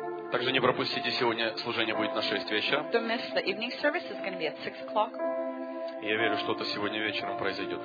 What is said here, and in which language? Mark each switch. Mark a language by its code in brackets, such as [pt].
[ru] Также не пропустите, сегодня служение будет на 6 вечера. [en] Don't miss the evening service, it's going to be at 6 o'clock. [ru] Я верю, что-то сегодня вечером произойдет.